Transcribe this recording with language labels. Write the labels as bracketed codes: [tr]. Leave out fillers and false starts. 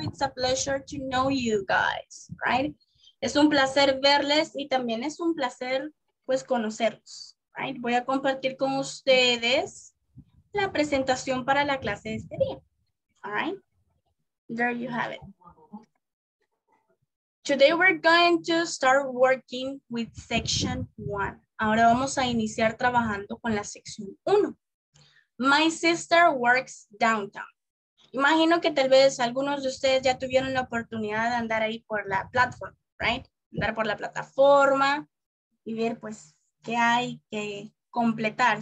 [en] It's a pleasure to know you guys, right? [es] Es un placer verles y también es un placer, pues, conocerlos, right? Voy a compartir con ustedes la presentación para la clase de este día, all right? [en] There you have it. Today we're going to start working with section one. [es] Ahora vamos a iniciar trabajando con la sección uno. [en] My sister works downtown. [es] Imagino que tal vez algunos de ustedes ya tuvieron la oportunidad de andar ahí por la plataforma. Right? Andar por la plataforma y ver, pues, qué hay que completar.